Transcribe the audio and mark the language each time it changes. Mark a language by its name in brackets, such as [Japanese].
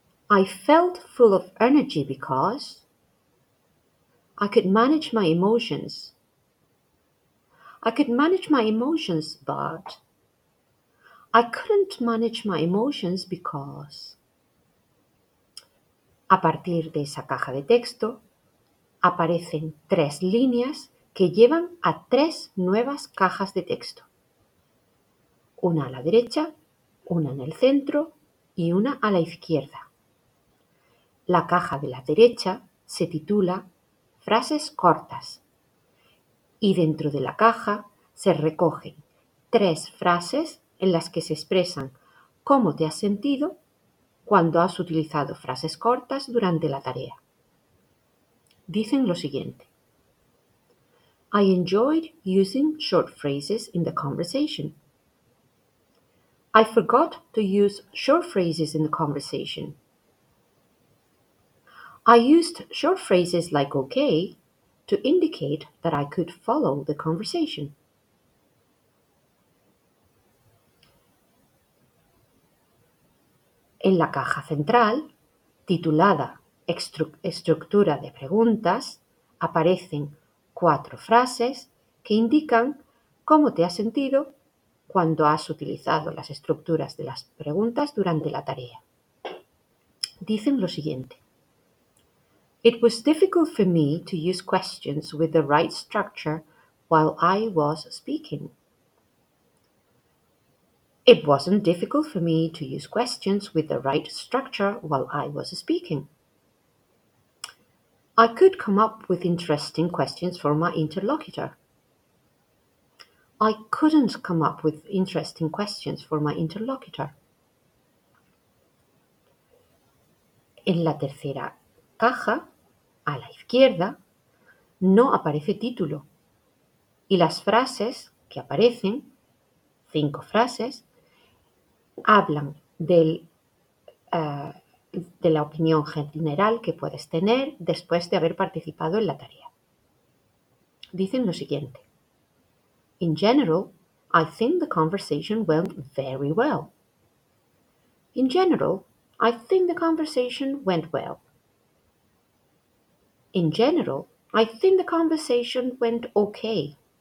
[English] I felt full of energy because I could manage my emotions. I could manage my emotions, but I couldn't manage my emotions because. [Spanish] A partir de esa caja de texto, aparecen 3 líneas que llevan a 3 nuevas cajas de texto. Una a la derecha, una en el centro y una a la izquierda. La caja de la derecha se titula Frases cortas. Y dentro de la caja se recogen 3 frases en las que se expresan cómo te has sentido cuando has utilizado frases cortas durante la tarea. Dicen lo siguiente. [English] I enjoyed using short phrases in the conversation. I forgot to use short phrases in the conversation. I used short phrases like okay to indicate that I could follow the conversation. [Spanish] En la caja central, titulada Estructura de preguntas, aparecen 4 frases que indican cómo te has sentido cuando has utilizado las estructuras de las preguntas durante la tarea. Dicen lo siguiente. [English] It was difficult for me to use questions with the right structure while I was speaking. It wasn't difficult for me to use questions with the right structure while I was speaking. I could come up with interesting questions for my interlocutor. I couldn't come up with interesting questions for my interlocutor. [Spanish] En la tercera caja, a la izquierda, no aparece título y las frases que aparecen, 5 frases, hablan de la opinión general que puedes tener después de haber participado en la tarea. Dicen lo siguiente. [English] In general, I think the conversation went very well. In general, I think the conversation went well. In general, I think the conversation went okay.